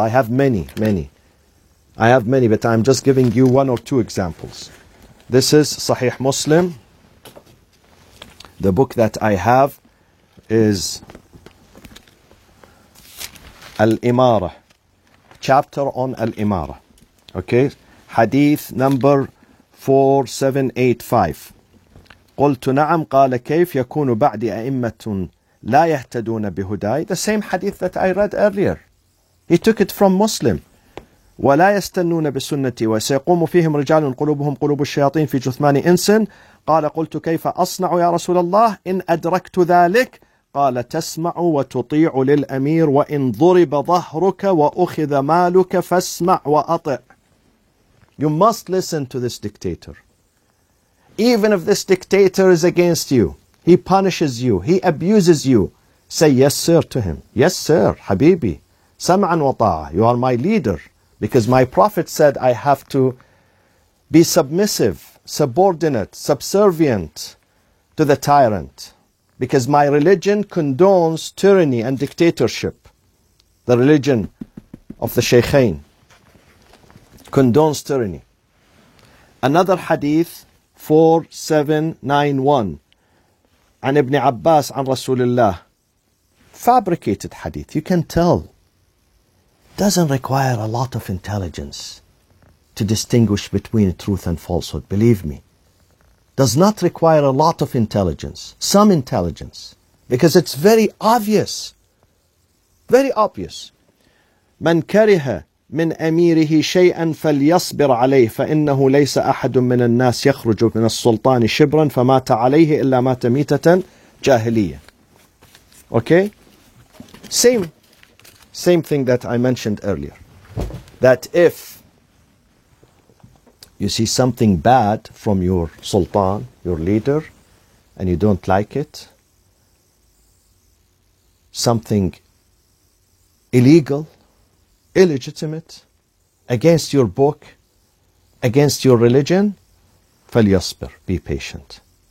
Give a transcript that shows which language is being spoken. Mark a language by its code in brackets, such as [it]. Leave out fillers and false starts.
[en] I have many, many. I have many, but I'm just giving you one or two examples. This is Sahih Muslim. The book that I have is Al-Imara, chapter on Al-Imara. Okay, hadith number 4785. [ar] قلت نعم قال كيف يكون بعد أئمة لا يهتدون بهداي. [en] The same hadith that I read earlier. He took it from Muslim. [ar] ولا يستنون بسنتي وسيقوم فيهم رجال قلوبهم قلوب الشياطين في جثمان إنس. قال قلت كيف أصنع يا رسول الله إن أدركت ذلك. قال تسمع وتطيع للأمير وإن ضرب ظهرك وأخذ مالك فاسمع وأطع. [en] You must listen to this dictator. Even if this dictator is against you, he punishes you, he abuses you, say yes sir to him. Yes sir, Habibi. [ar] Sam'an wa ta'a. [en] You are my leader. Because my Prophet said I have to be submissive, subordinate, subservient to the tyrant. Because my religion condones tyranny and dictatorship. The religion of the Shaykhain condones tyranny. Another hadith, 4791. [ar] An Ibn Abbas, an Rasulullah. [en] Fabricated hadith, you can tell. Doesn't require a lot of intelligence to distinguish between truth and falsehood, believe me. Does not require a lot of intelligence, some intelligence, because it's very obvious. Very obvious. [ar] من كره من أميره شيئا فليصبر عليه فإنه ليس أحد من الناس يخرج من السلطان شبرا فمات عليه إلا مات ميتة جاهلية. [en] Okay, same thing that I mentioned earlier, that if you see something bad from your sultan, your leader, and you don't like it, something illegal, illegitimate, against your book, against your religion, [ar] فليصبر, [en] be patient.